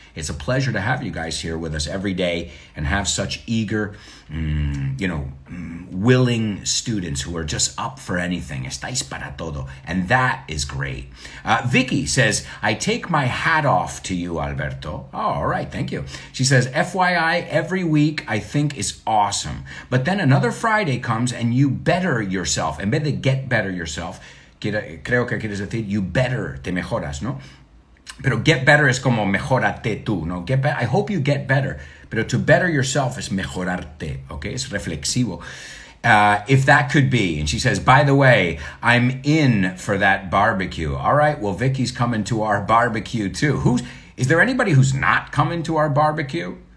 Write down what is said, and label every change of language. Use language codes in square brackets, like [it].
[en] It's a pleasure to have you guys here with us every day and have such eager, you know, willing students who are just up for anything. [es] Estáis para todo. [en] And that is great. Vicky says, I take my hat off to you, Alberto. Oh, all right. Thank you. She says, FYI, every week I think is awesome. But then another Friday comes and you better yourself. [es] En vez de [en] get better yourself, [es] creo que quieres decir [en] you better, [es] te mejoras, ¿no? Pero [en] get better [es] es como mejorate tú, ¿no? [en] Get better, I hope you get better. [es] Pero [en] to better yourself [es] es mejorarte, [en] okay? [es] Es reflexivo. [en] If that could be. And she says, by the way, I'm in for that barbecue. All right, well, Vicky's coming to our barbecue too. Is there anybody who's not coming to our barbecue?